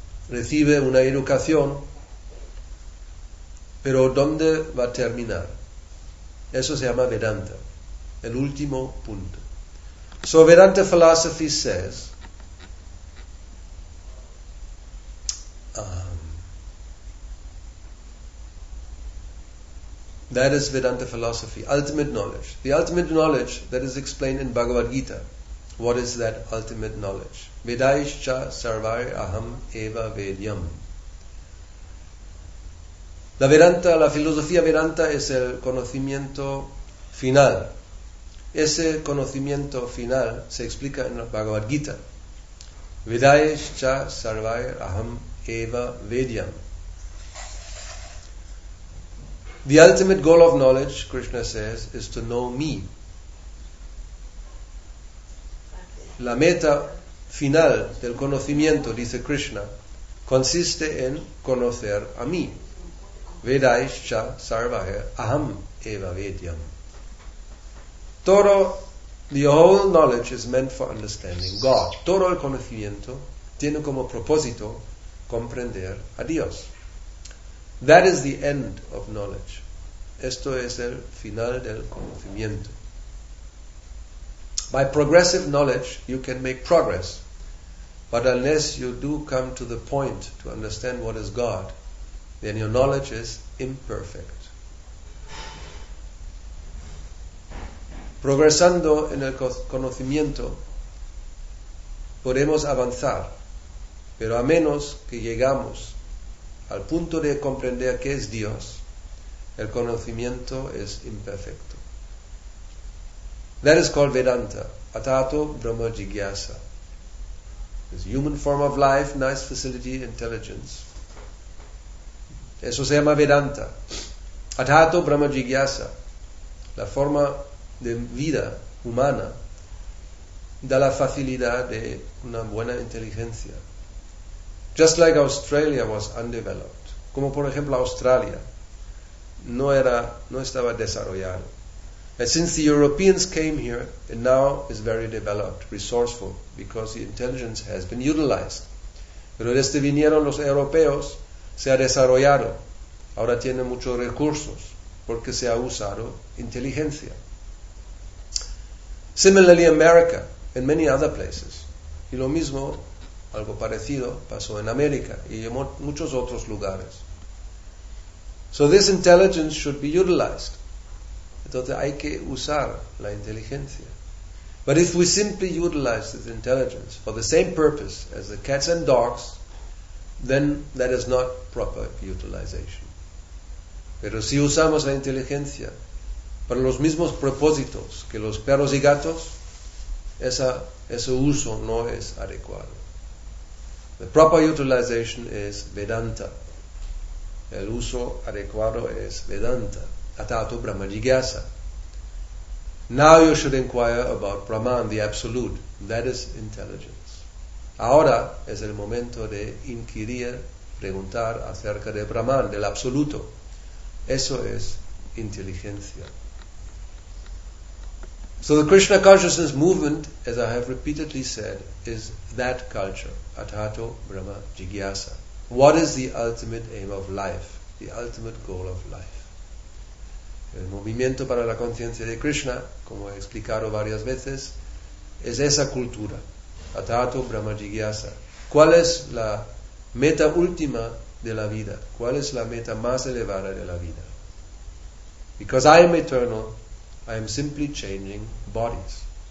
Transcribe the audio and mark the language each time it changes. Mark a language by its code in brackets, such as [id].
[es] Recibe una educación, pero ¿dónde va a terminar? Eso se llama Vedanta. El último punto. [en] So Vedanta philosophy says, that is Vedanta philosophy, ultimate knowledge. The ultimate knowledge that is explained in Bhagavad Gita. What is that ultimate knowledge? [sa] Vedaischa sarvai aham eva vedyam. [es] La Vedanta, la filosofía Vedanta es el conocimiento final. Ese conocimiento final se explica en la Bhagavad Gita. [sa] Vedaischa sarvai aham eva vedyam. [en] The ultimate goal of knowledge, Krishna says, is to know me. [es] La meta final del conocimiento, dice Krishna, consiste en conocer a mí. [sa] Vedaischa sarvaha aham eva vedyam. [en] Todo, the whole knowledge is meant for understanding God. [es] Todo el conocimiento tiene como propósito comprender a Dios. [en] That is the end of knowledge. [es] Esto es el final del conocimiento. [en] By progressive knowledge, you can make progress. But unless you do come to the point to understand what is God, then your knowledge is imperfect. [es] Progresando en el conocimiento, podemos avanzar, pero a menos que llegamos al punto de comprender qué es Dios, el conocimiento es imperfecto. [en] That is called Vedanta. [sa] Atato Brahma Jigyasa. [en] It's a human form of life, nice facility, intelligence. [es] Eso se llama Vedanta. [sa] Atato Brahma Jigyasa. [es] La forma de vida humana da la facilidad de una buena inteligencia. [en] Just like Australia was undeveloped. [es] Como por ejemplo Australia. No estaba desarrollado. [en] And since the Europeans came here, it now is very developed, resourceful, because the intelligence has been utilized. [es] Pero desde vinieron los europeos, se ha desarrollado. Ahora tiene muchos recursos, porque se ha usado inteligencia. [en] Similarly, America, in many other places. [es] Y lo mismo, algo parecido, pasó en América y en muchos otros lugares. [en] So this intelligence should be utilized. [es] Entonces hay que usar la inteligencia. [en] But if we simply utilize this intelligence for the same purpose as the cats and dogs, then that is not proper utilization. [es] Pero si usamos la inteligencia para los mismos propósitos que los perros y gatos, ese uso no es adecuado. [en] The proper utilization is Vedanta. [es] El uso adecuado es Vedanta, [sa] atato Brahma Jigyasa. [en] Now you should inquire about Brahman, the Absolute. That is intelligence. [es] Ahora es el momento de inquirir, preguntar acerca de Brahman, del Absoluto. Eso es inteligencia. [en] So the Krishna Consciousness Movement, as I have repeatedly said, is that culture, [sa] atato Brahma Jigyasa. [en] What is the ultimate aim of life? The ultimate goal of life. [es] El movimiento para la conciencia de Krishna, como he explicado varias veces, es esa cultura. [sa] Atato Brahma Jigyasa. [es] ¿Cuál es la meta última de la vida? ¿Cuál es la meta más elevada de la vida? [en] Because I am eternal, I am simply changing bodies.